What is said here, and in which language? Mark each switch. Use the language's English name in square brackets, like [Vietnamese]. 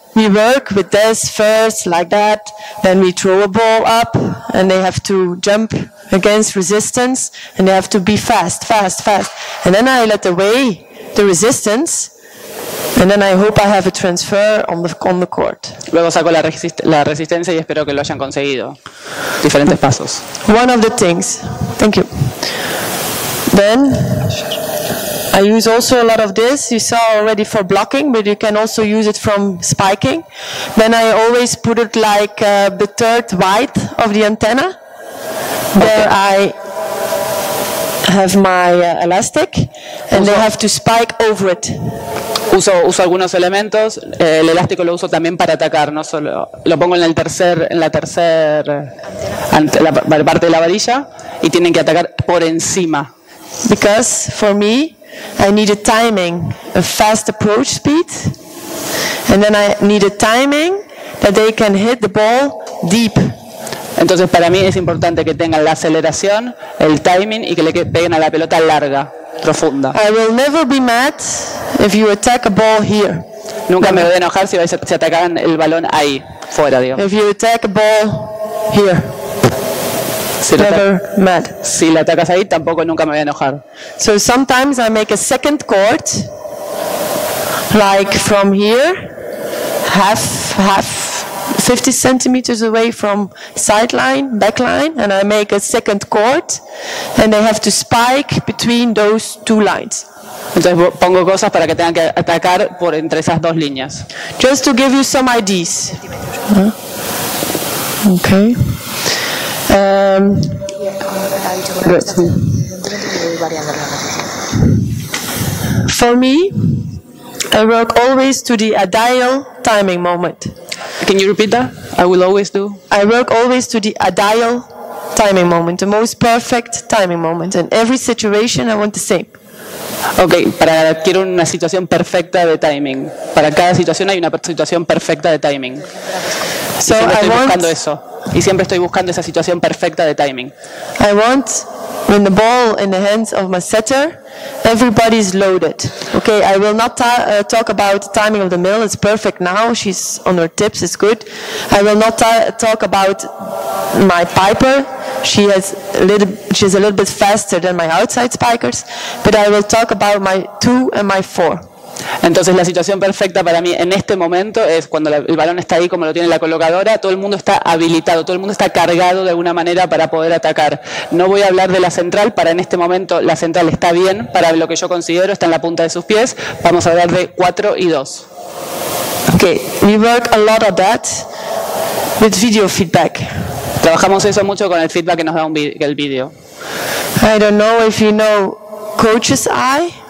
[English] We work with this first, like that. Then we throw a ball up, and they have to jump against resistance, and they have to be fast, fast, fast. And then I let away the resistance, and then I hope I have a transfer on the court. [Spanish] Luego saco la resistencia y espero que lo hayan conseguido. Diferentes pasos. [English] One of the things. Thank you. Then. I use also a lot of this, you saw already for blocking, but you can also use it from spiking. Then I always put it like the third white of the antenna. Okay. There I have my elastic, and they have to spike over it. [Spanish] Uso algunos elementos, el elástico lo uso también para atacar, no solo lo pongo en el tercer, en la tercer la parte de la varilla, y tienen que atacar por encima. [English] Because for me I need a timing, a fast approach speed, and then I need a timing that they can hit the ball deep. [Spanish] Entonces para mí es importante que tengan la aceleración, el timing y que le peguen a la pelota larga, profunda. [English] I will never be mad if you attack a ball here. [Spanish] Nunca me voy a enojar si atacan el balón ahí, fuera, digo. [English] If you attack a ball here. Never mad. [Spanish] Si la atacas ahí, tampoco nunca me voy a enojar. [English] So sometimes I make a second court, like from here, half 50 centimeters away from sideline, backline, and I make a second court, and they have to spike between those two lines. [Spanish] Entonces pongo cosas para que tengan que atacar por entre esas dos líneas. [English] Just to give you some ideas. Okay. For me, I work always to the ideal timing moment. Can you repeat that? I will always do. I work always to the ideal timing moment, the most perfect timing moment. In every situation, I want the same. [Spanish] Okay, para quiero una situación perfecta de timing. Para cada situación hay una situación perfecta de timing. [English] So [Spanish] estoy [English] I want, [Spanish] buscando eso. Y siempre estoy buscando esa situación perfecta de timing. [English] I want when the ball in the hands of my setter, everybody's loaded. Okay, I will not talk about the timing of the mill. It's perfect now. She's on her tips. It's good. I will not talk about my piper. She's a little bit faster than my outside spikers, but I will talk about my 2 and my 4. [Spanish] Entonces la situación perfecta para mí en este momento es cuando el balón está ahí como lo tiene la colocadora, todo el mundo está habilitado, todo el mundo está cargado de alguna manera para poder atacar. No voy a hablar de la central, para en este momento la central está bien, para lo que yo considero está en la punta de sus pies. Vamos a hablar de 4 y 2. [English] Okay, we work a lot of that with video feedback. [Spanish] Trabajamos eso mucho con el feedback que nos da el video. [English] I don't know if you know Coach's Eye.